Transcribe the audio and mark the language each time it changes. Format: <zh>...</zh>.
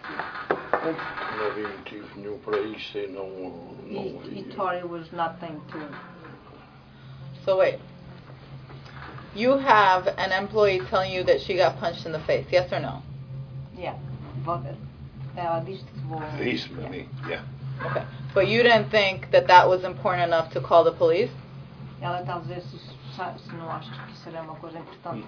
<pt>Não havia motivo nenhum para isso e não</pt> <en>He thought it was nothing to. So wait. You have an employee telling you that she got punched in the face, yes or no? Yeah. Yeah. Okay. But you didn't think that that was important enough to call the police?</en> <pt>Ela talvez se não acha que isso era uma coisa importante.</pt>